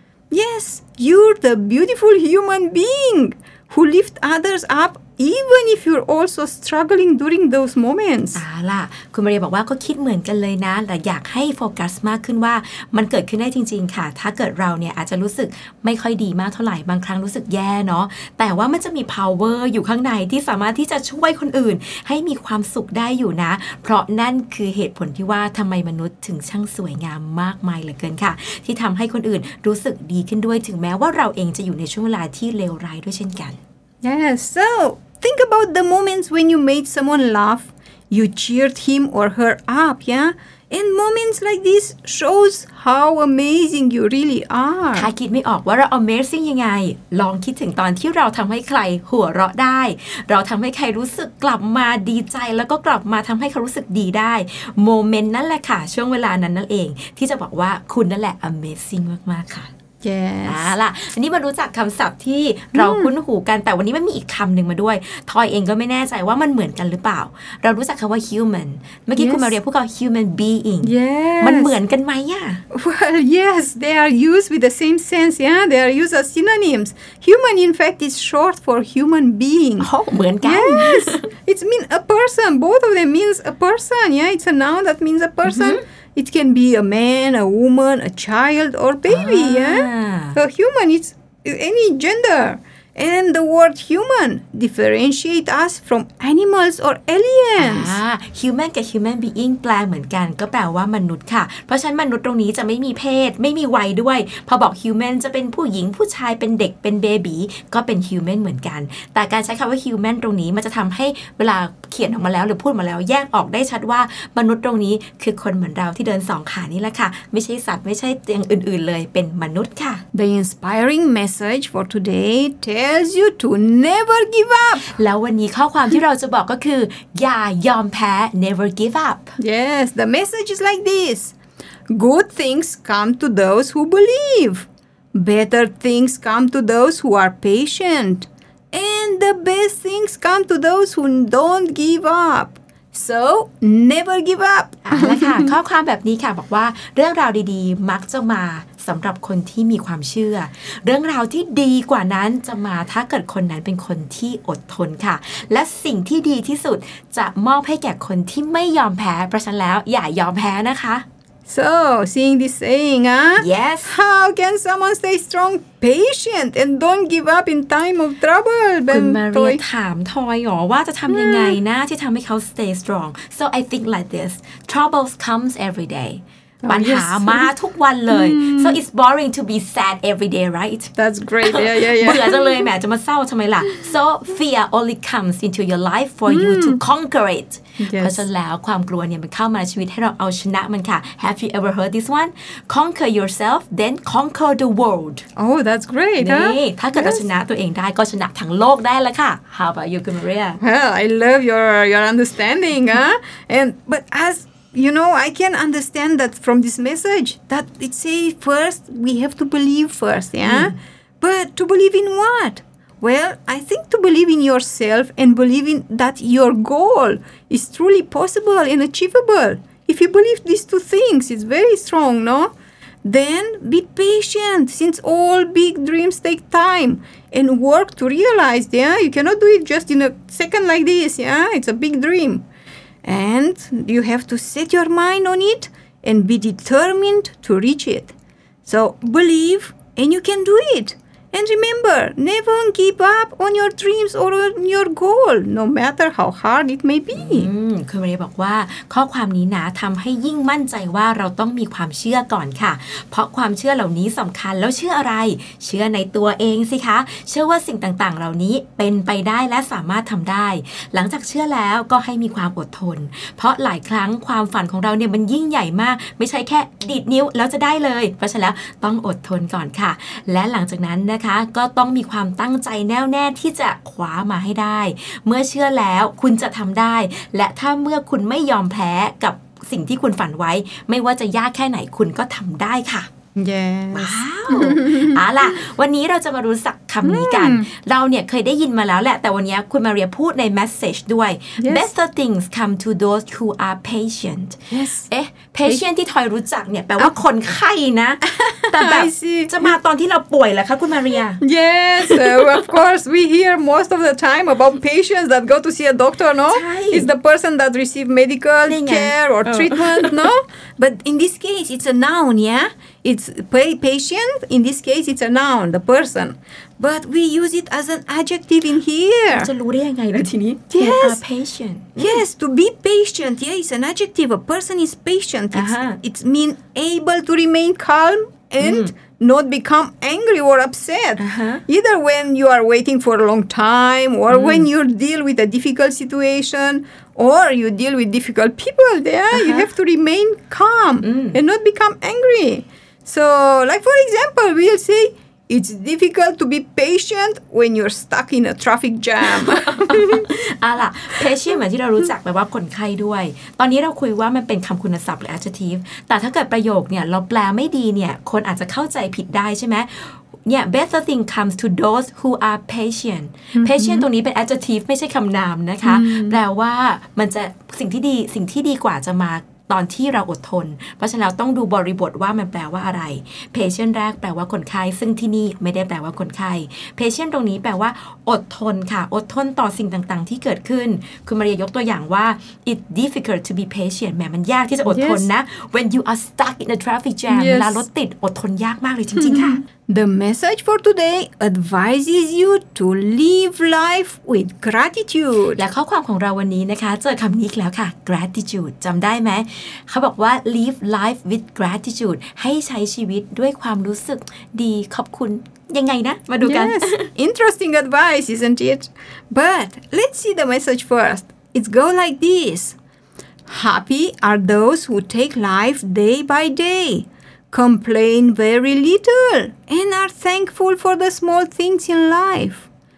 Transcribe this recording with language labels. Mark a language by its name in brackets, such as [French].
[English] Yes, you're the beautiful human being who lifts others up. Even if you're also struggling during those moments. [Thai] อ่าล่ะคุณมาเรียบอกว่าก็คิดเหมือนกันเลยนะแต่อยากให้โฟกัสมากขึ้นว่ามันเกิดขึ้นได้จริงๆค่ะถ้าเกิดเราเนี่ยอาจจะรู้สึกไม่ค่อยดีมากเท่าไหร่บางครั้งรู้สึกแย่เนาะแต่ว่ามันจะมี power อยู่ข้างในที่สามารถที่จะช่วยคนอื่นให้มีความสุขได้อยู่นะเพราะนั่นคือเหตุผลที่ว่าทำไมมนุษย์ถึงช่างสวยงามมากมายเหลือเกินค่ะที่ทำให้คนอื่นรู้สึกดีขึ้นด้วยถึงแม้ว่าเราเองจะอยู่ในช่วงเวลาที่เลวร้ายด้วยเช่นกัน [English] Yes soThink about the moments when you made someone laugh, you cheered him or her up, yeah? And moments like this shows how amazing you really are. [Thai] ถ้าคิดไม่ออกว่าเรา amazing ยังไงลองคิดถึงตอนที่เราทำให้ใครหัวเราะได้เราทำให้ใครรู้สึกกลับมาดีใจแล้วก็กลับมาทำให้เขารู้สึกดีได้โมเมนต์นั่นแหละค่ะช่วงเวลานั้นนั่นเองที่จะบอกว่าคุณนั่นแหละ amazing มากๆค่ะ [English] Yes. [Thai] อ่าล่ะอันนี้มารู้จักคำศัพท์ที่เราคุ้นหูกันแต่วันนี้มันมีอีกคำหนึ่งมาด้วยทอยเองก็ไม่แน่ใจว่ามันเหมือนกันหรือเปล่าเรารู้จักคำว่า human เมื่อกี้ [English] yes. [Thai] คุณมาเรียกพวกเรา human being [English] yes. [Thai] มันเหมือนกันไหมอ่ะ [English] Well yes they are used with the same sense yeah they are used as synonyms human in fact is short for human being [Thai] เหมือนกัน [English] yes it means a person both of them means a person yeah it's a noun that means a person mm-hmm. It can be a man, a woman, a child, or baby, ah. yeah? So human, it's any gender. And the word human differentiate us from animals or aliens. [Thai] Human กับ human being แปลเหมือนกันก็แปลว่ามนุษย์ค่ะเพราะฉะนั้นมนุษย์ตรงนี้จะไม่มีเพศไม่มีวัยด้วยพอบอก human จะเป็นผู้หญิงผู้ชายเป็นเด็กเป็นเบบี้ก็เป็น human เหมือนกันแต่การใช้คำว่า human ตรงนี้มันจะทำให้เวลาเขียนออกมาแล้วหรือพูดมาแล้วแยกออกได้ชัดว่ามนุษย์ตรงนี้คือคนเหมือนเราที่เดินสองขานี่แหละค่ะไม่ใช่สัตว์ไม่ใช่อย่างอื่นๆเลยเป็นมนุษย์ค่ะ [English] The inspiring message for today tells you to never give up [Thai] แล้ววันนี้ข้อความที่เราจะบอกก็คืออย่ายอมแพ้ [English] never give up Yes the message is like this Good things come to those who believe Better things come to those who are patientAnd the best things come to those who don't give up. So, never give up. [Thai] แล้วค่ะข้อความแบบนี้ค่ะบอกว่าเรื่องราวดีๆมักจะมาสำหรับคนที่มีความเชื่อเรื่องราวที่ดีกว่านั้นจะมาถ้าเกิดคนนั้นเป็นคนที่อดทนค่ะและสิ่งที่ดีที่สุดจะมอบให้แก่คนที่ไม่ยอมแพ้เพราะฉะนั้นแล้วอย่ายอมแพ้นะคะ [English] So, seeing this saying, huh? Yes. How can someone stay strong, patient, and don't give up in time of trouble? [Thai] คุณมาเรียถามทอยหรอว่าจะทำยังไงนะที่ทำให้เขา [English] stay strong. So I think like this. Troubles comes every day. [Thai] ปัญหามาทุกวันเลย [English] So it's boring to be sad every day, right? That's great. Yeah. [Thai] เบื่อจังเลยแหมจะมาเศร้าทำไมล่ะ [English] So fear only comes into your life for you to conquer it. Yes. [Thai] เพราะฉะนั้นแล้วความกลัวเนี่ยมันเข้ามาในชีวิตให้เราเอาชนะมันค่ะ [English] Have you ever heard this one? Conquer yourself, then conquer the world. Oh, that's great. [Thai] นี่ถ้าเกิดเราชนะตัวเองได้ก็ชนะทั้งโลกได้แล้วค่ะ [English] How about you, Maria? Well, I love your understanding, huh? And but as you know, I can understand that from this message that it says first we have to believe first, yeah. But to believe in what? Well, I think to believe in yourself and believing that your goal is truly possible and achievable. If you believe these two things, it's very strong, no? Then be patient, since all big dreams take time and work to realize, yeah? You cannot do it just in a second like this, yeah? It's a big dream. And you have to set your mind on it and be determined to reach it. So believe and you can do it. And remember, never give up on your dreams or on your goal, no matter how hard it may be. [Thai] คุณมาเรียบอกว่าข้อความนี้นะทำให้ยิ่งมั่นใจว่าเราต้องมีความเชื่อก่อนค่ะเพราะความเชื่อเหล่านี้สำคัญแล้วเชื่ออะไรเชื่อในตัวเองสิคะเชื่อว่าสิ่งต่างๆเหล่านี้เป็นไปได้และสามารถทำได้ หลังจากเชื่อแล้วก็ให้มีความอดทนเพราะหลายครั้งความฝันของเราเนี่ยมันยิ่งใหญ่มากไม่ใช่แค่ดีดนิ้วแล้วจะได้เลยเพราะฉะนั้นต้องอดทนก่อนค่ะและหลังจากนั้นนะคะก็ต้องมีความตั้งใจแน่วแน่ที่จะคว้ามาให้ได้เมื่อเชื่อแล้วคุณจะทำได้และถ้าเมื่อคุณไม่ยอมแพ้กับสิ่งที่คุณฝันไว้ไม่ว่าจะยากแค่ไหนคุณก็ทำได้ค่ะ [English] Yes. [Thai] ว้าวเอาล่ะวันนี้เราจะมารู้สักคำนี้กันเราเนี่ยเคยได้ยินมาแล้วแหละแต่วันนี้คุณมาเรียพูดใน message ด้วย [English] yes. Better things come to those who are patient yes. [Thai] เอ๊ะ patient ที่ทอยรู้จักเนี่ยแปลว่าคนไข้นะ แต่แบบ จะมาตอนที่เราป่วยแหละคะคุณมาเรีย [English] Yes of course we hear most of the time about patients that go to see a doctor no is the person that receive medical care or treatment no but in this case it's a noun yeahIt's patient, in this case, it's a noun, the person. But we use it as an adjective in here. [Thai] จะรู้ได้ยังไงล่ะทีนี้ [English] Yes. They are patient. Yes, to be patient, yeah, it's an adjective. A person is patient. It's mean able to remain calm and not become angry or upset. Either when you are waiting for a long time or when you deal with a difficult situation,Or you deal with difficult people there, you have to remain calm and not become angry. So, like for example, we'll say, It's difficult to be patient when you're stuck in a traffic jam. [Thai] ล่ะ patient เหมือนที่เรารู้จักแปลว่าคนไข้ด้วยตอนนี้เราคุยว่ามันเป็นคำคุณศัพท์หรือ adjective แต่ถ้าเกิดประโยคเนี่ยเราแปลไม่ดีเนี่ยคนอาจจะเข้าใจผิดได้ใช่ไหม เนี่ย [English] better thing comes to those who are patient [Thai] patient ตรงนี้เป็น adjective ไม่ใช่คำนามนะคะแปลว่ามันจะสิ่งที่ดีกว่าจะมาตอนที่เราอดทนเพราะฉะนั้นเราต้องดูบริบทว่ามันแปลว่าอะไร patient แรกแปลว่าคนไข้ซึ่งที่นี่ไม่ได้แปลว่าคนไข้ patient ตรงนี้แปลว่าอดทนค่ะอดทนต่อสิ่งต่างๆที่เกิดขึ้นคุณมารียกตัวอย่างว่า [English] it's difficult to be patient [Thai] แม้มันยากที่จะอดทนนะ [English] when you are stuck in a traffic jam [Thai] เวลารถติดอดทนยากมากเลยจริงๆค่ะ [English] The message for today advises you to live life with gratitude. [Thai] และข้อความของเราวันนี้นะคะเจอคำนี้แล้วค่ะ gratitude จำได้ไหมเขาบอกว่า [English] live life with gratitude [Thai] ให้ใช้ชีวิตด้วยความรู้สึกดีขอบคุณยังไงนะมาดูกัน [English] Yes, interesting advice, isn't it? But let's see the message first. It goes like this: Happy are those who take life day by day. Complain very little and are thankful for the small things in life.